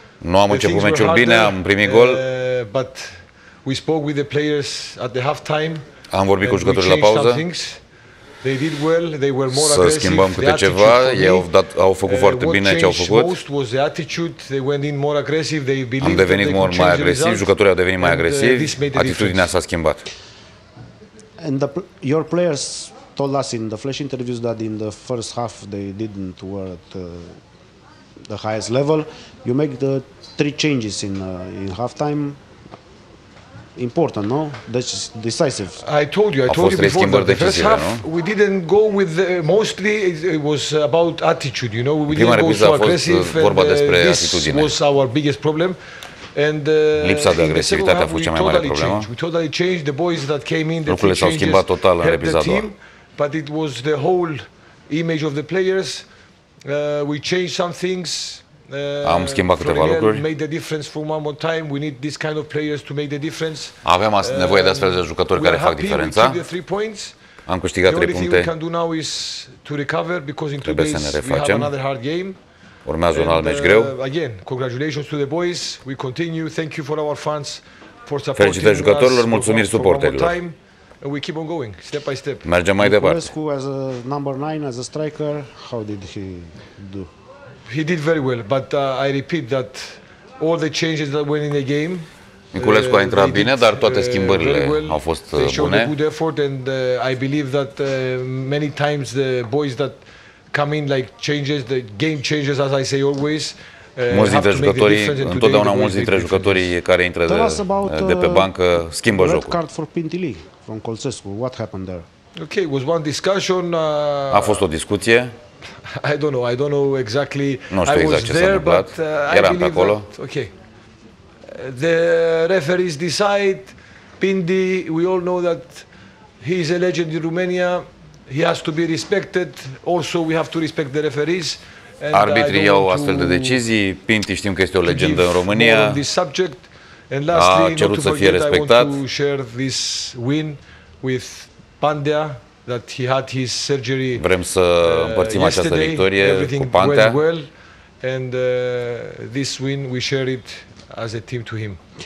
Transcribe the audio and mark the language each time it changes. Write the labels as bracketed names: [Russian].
[Romanian] Nu am început meciul bine, am primit gol. [English] But we spoke with the players at the half time. [Romanian] Am vorbit cu jucătorii la pauză. [English] They did well, they were more [Romanian] aggressive. Să schimbăm câte ceva, ei au făcut foarte bine ce au făcut. [English] Most was the attitude, they went in more aggressive, they [Romanian] believed. Am devenit mult mai agresiv, jucătorii au devenit mai agresivi. Atitudinea s-a schimbat. [English] And your players told us in the flash interviews that in the first half they didn't were at the highest level. You make the three changes in halftime. Important, no? That's decisive. I told you. I told you before the first half. We didn't go with mostly. It was about attitude. You know, we didn't go so aggressive. And this was our biggest problem. [Romanian] And lipsa de agresivitate a fost cea mai mare problemă. [English] We totally changed the boys that came in. [Romanian] Lucrurile s-au schimbat total în repriza a doua. [English] But it was the whole image of the players. We changed some things. [Romanian] Am schimbat câteva lucruri. [English] Made the difference for one more time. We need this kind of players to make the difference. [Romanian] Avem nevoie de astfel de jucători care fac diferența. Am câștigat 3 puncte. [English] What we can do now is to recover because in 2 days we have another hard game. [Romanian] Urmează un alt meci greu. [English] Again, congratulations to the boys. We continue. Thank you for our fans for supporting. [Romanian] Felicitări jucătorilor, mulțumiri suporterilor. [English] And we keep on going step by step. [Romanian] Mergem mai departe. [English] Cu as a number 9 as a striker, how did he do? He did very well, but I repeat that all the changes that went in the game. [Romanian] Miculescu a intrat bine, dar toate schimbările au fost bune. [English] They showed a good effort and I believe that many times the boys that come in like changes the game changes as I say always. [Romanian] Mulți dintre jucătorii, întotdeauna mulți dintre jucătorii care intră de pe bancă schimbă [English] red [Romanian] jocul. [English] Red card for Pintili from Colțescu. What happened there? Okay, it was one discussion. [Romanian] A fost o discuție. [English] I don't know exactly. [Romanian] Nu știu exact ce s-a întâmplat. Eram pe acolo. [English] That, okay. The referees decide. Pindi, we all know that he is a legend in Romania. He has to be respected. Also, we have to respect the referees. [Romanian] Arbitrii iau astfel de decizii. Pinti știm că este o legendă în România. [English] And lastly, [Romanian] a cerut să fie respectat. [English] I want to share this win with Pandea. That he had his surgery. [Romanian] Vrem să împărțim această victorie cu Pantea. [English] Well, and this win we share it as a team to him.